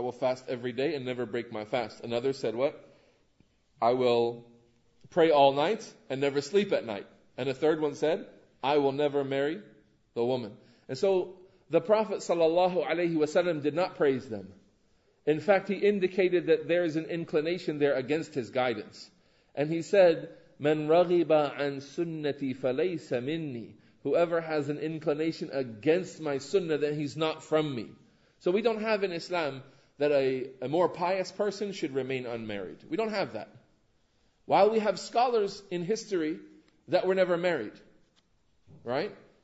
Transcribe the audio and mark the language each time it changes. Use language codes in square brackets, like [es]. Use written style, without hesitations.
[en] I will fast every day and never break my fast. Another said, what? I will pray all night and never sleep at night. And a third one said, I will never marry the woman. And so the Prophet sallallahu alaihi wasallam did not praise them. In fact, he indicated that there is an inclination there against his guidance. [ar] And he said, من رغب عن سنتي فليس مني. [en] Whoever has an inclination against my sunnah, then he's not from me. So we don't have in Islam that a more pious person should remain unmarried. We don't have that. While we have scholars in history that were never married, right?